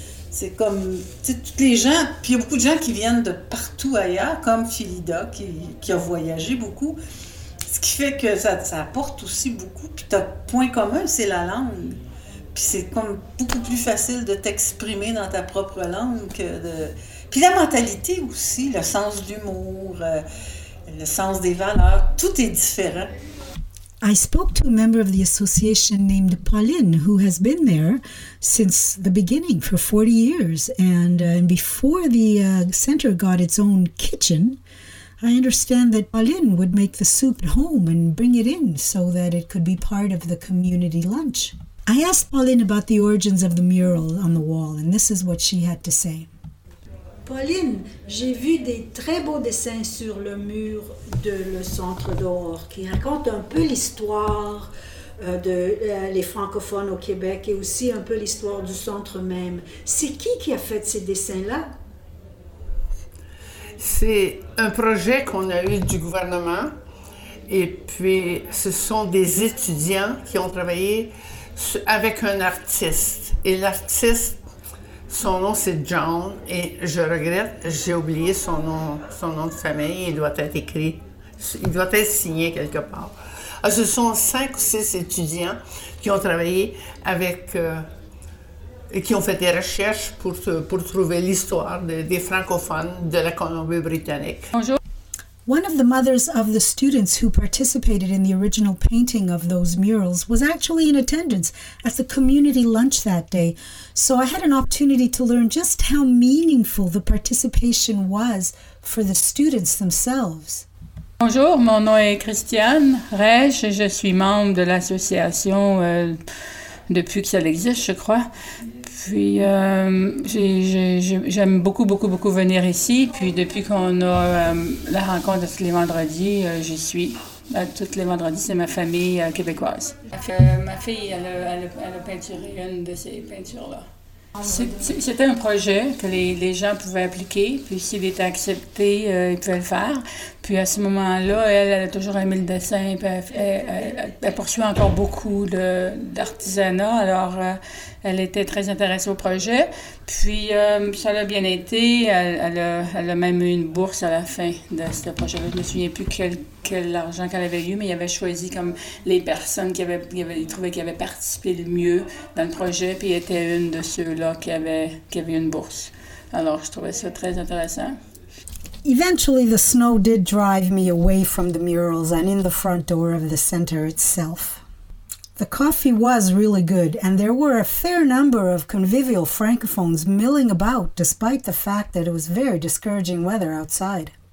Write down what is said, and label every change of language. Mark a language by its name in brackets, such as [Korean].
[French] C'est comme, tu sais, tous les gens, puis il y a beaucoup de gens qui viennent de partout ailleurs, comme Philida, qui a voyagé beaucoup, ce qui fait que ça apporte aussi beaucoup. Puis ton point commun, c'est la langue. Puis c'est comme beaucoup plus facile de t'exprimer dans ta propre langue que de... Puis la mentalité aussi, le sens de l'humour, le sens des valeurs, tout est différent. [English] I spoke to a member of the association named Pauline, who has been there since the beginning for 40 years. And before the center got its own kitchen, I understand that Pauline would make the soup at home and bring it in so that it could be part of the community lunch. I asked Pauline about the origins of the mural on the wall, and this is what she had to say. [French] Pauline, j'ai vu des très beaux dessins sur le mur de le centre dehors qui racontent un peu l'histoire les francophones au Québec et aussi un peu l'histoire du centre même. C'est qui a fait ces dessins-là? C'est un projet qu'on a eu du gouvernement et puis ce sont des étudiants qui ont travaillé avec un artiste. Et l'artiste, son nom, c'est John, et je regrette, j'ai oublié son nom de famille. Il doit être écrit, il doit être signé quelque part. Alors, ce sont 5 ou 6 étudiants qui ont travaillé avec, qui ont fait des recherches pour trouver l'histoire des francophones de la Colombie-Britannique. Bonjour. [English] One of the mothers of the students who participated in the original painting of those murals was actually in attendance at the community lunch that day, so I had an opportunity to learn just how meaningful the participation was for the students themselves. [French] Bonjour, mon nom est Christiane Reich et je suis membre de l'association depuis que ça existe, je crois. Puis j'aime beaucoup, beaucoup, beaucoup venir ici. Puis depuis qu'on a la rencontre tous les vendredis, j'y suis. Tous les vendredis, c'est ma famille québécoise. Ma fille, elle a peinturé une de ces peintures-là. C'était un projet que les gens pouvaient appliquer. Puis s'il était accepté, ils pouvaient le faire. Puis à ce moment-là, elle a toujours aimé le dessin. Puis elle poursuit encore beaucoup d'artisanat. Alors, elle était très intéressée au projet. Puis ça l'a bien été. Elle a même eu une bourse à la fin de ce projet-là. Je ne me souviens plus quel argent qu'elle avait eu, mais il avait choisi comme les personnes qui avaient participé le mieux dans le projet. Puis elle était une de ceux-là qui avait eu une bourse. Alors, je trouvais ça très intéressant. [English] Eventually, the snow did drive me away from the murals and in the front door of the center itself. The coffee was really good, and there were a fair number of convivial francophones milling about, despite the fact that it was very discouraging weather outside.